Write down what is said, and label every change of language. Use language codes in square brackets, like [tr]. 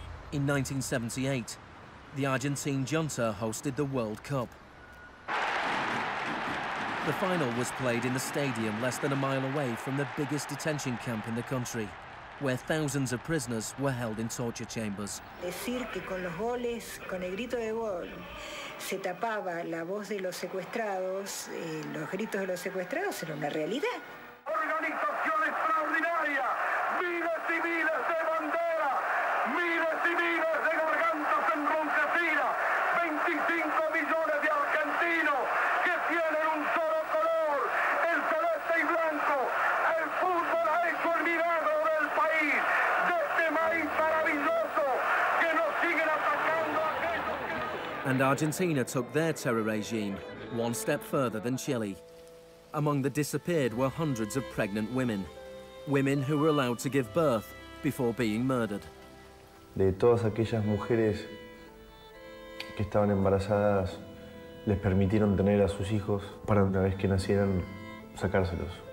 [en] In 1978, the Argentine junta hosted the World Cup. The final was played in the stadium less than a mile away from the biggest detention camp in the country, where thousands of prisoners were held in torture chambers. [es] Decir que con los goles, con el grito de gol, se tapaba la voz de los secuestrados, los gritos de los secuestrados era una realidad. Organización extraordinaria, miles y miles de bandera, miles y miles de gargantas enronquecidas, 25 millones de argentinos que tienen un solo color, el celeste y blanco. El fútbol ha hecho el milagro del país, de este país maravilloso que nos sigue atacando a aquellos... [en] And Argentina took their terror regime one step further than Chile. Among the disappeared were hundreds of pregnant women, women who were allowed to give birth before being murdered. [es] De todas aquellas mujeres que estaban embarazadas, les permitieron tener a sus hijos para una vez que nacieran, sacárselos.